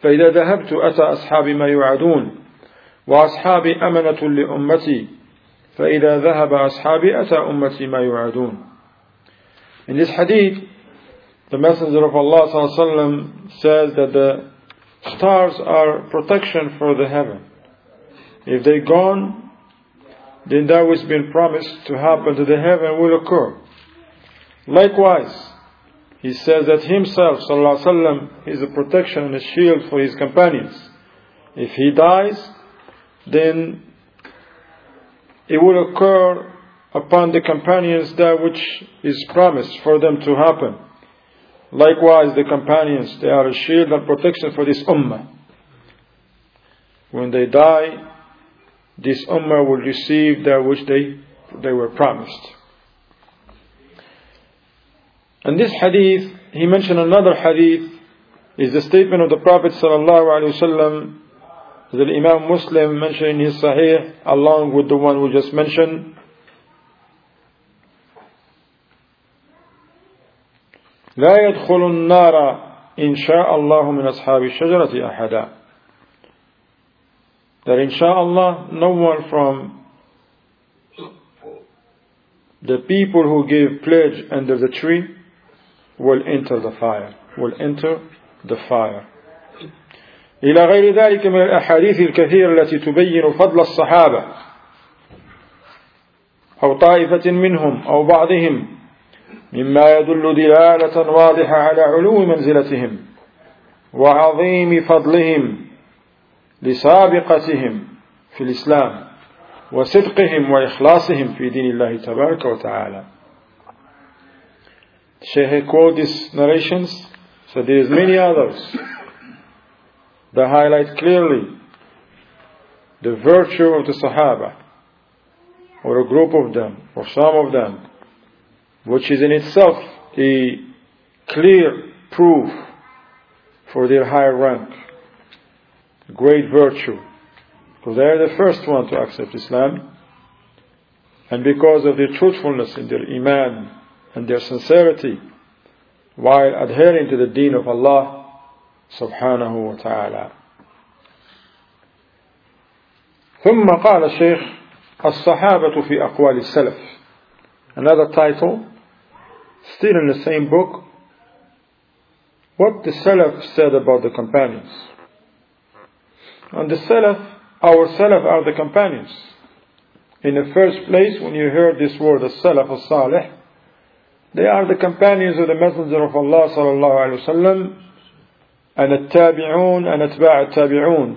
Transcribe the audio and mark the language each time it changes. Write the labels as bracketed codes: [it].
[ar] ذهبت أتى أصحابي ما يوعدون وأصحابي أمنة لأمتي فإذا ذهب أصحابي أتى أمتي ما يوعدون. [en] In this hadith, the Messenger of Allah [ar] صلى الله عليه وسلم [en] says that the stars are protection for the heaven. If they gone, then that which has been promised to happen to the heaven will occur. Likewise, he says that himself, sallallahu alaihi wasallam, is a protection and a shield for his companions. If he dies, then it will occur upon the companions that which is promised for them to happen. Likewise, the companions, they are a shield and protection for this ummah. When they die, this ummah will receive that which they were promised. And this hadith, he mentioned another hadith, is the statement of the Prophet sallallahu alaihi wasallam that Imam Muslim mentioned in his Sahih, along with the one we just mentioned. [ar] لا يدخل النار إن شاء الله من أصحاب الشجرة أحدا. [en] That [ar] إن شاء الله, [en] no one from the people who give pledge under the tree will enter the fire. Will enter the fire. [ar] إلى غير ذلك من الأحاديث الكثيرة التي تبين فضل الصحابة أو طائفة منهم أو بعضهم. مما يدل دلالة واضحة على علو منزلتهم وعظيم فضلهم لسابقتهم في الإسلام وصدقهم وإخلاصهم في دين الله تبارك وتعالى. [en] Sheikh quote these narrations, so there is many others that highlight clearly the virtue of the Sahaba or a group of them or some of them, which is in itself a clear proof for their higher rank, great virtue. Because they are the first one to accept Islam. And because of their truthfulness in their iman and their sincerity while adhering to the deen of Allah subhanahu wa ta'ala. [ar] ثم قال الشيخ الصحابة في أقوال السلف. [en] Another title. Still in the same book, what the Salaf said about the companions. And the Salaf, our Salaf are the companions. In the first place, when you heard this word, the Salaf al-Salih, they are the companions of the Messenger of Allah sallallahu alaihi wasallam, and at-Tabi'un and at-Ba' at-Tabi'un.